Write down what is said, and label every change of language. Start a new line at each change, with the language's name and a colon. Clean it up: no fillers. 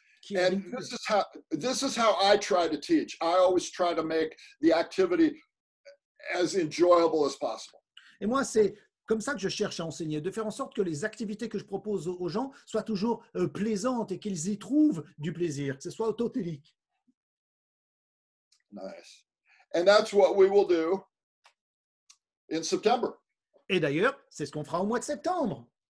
English: And this is how I try to teach. I always try to make the activity as enjoyable as possible.
French: Et moi, c'est comme ça que je cherche à enseigner, de faire en sorte que les activités que je propose aux gens soient toujours plaisantes et qu'ils y trouvent du plaisir, que ce soit autotélique.
English: Nice. And that's what we will do in September.
French: Et d'ailleurs, c'est ce qu'on fera au mois de septembre.